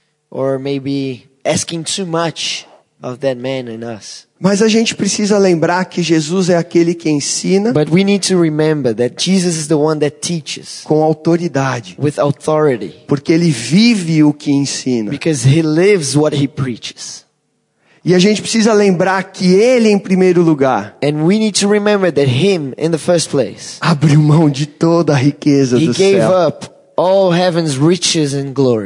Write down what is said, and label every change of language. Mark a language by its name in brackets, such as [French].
[English] Or maybe asking too much of that man in us. [Portuguese] Mas a gente precisa lembrar que Jesus é aquele que ensina. [English] But we need to remember that Jesus is the one that teaches. [Portuguese] Com autoridade. [English] With authority. [Portuguese] Porque ele vive o que ensina. [English] Because he lives what he preaches. [Portuguese] E a gente precisa lembrar que ele em primeiro lugar. [English] And we need to remember that him in the first place. [Portuguese] Abriu mão de toda a riqueza do céu. [English] He gave up all heaven's riches and glory.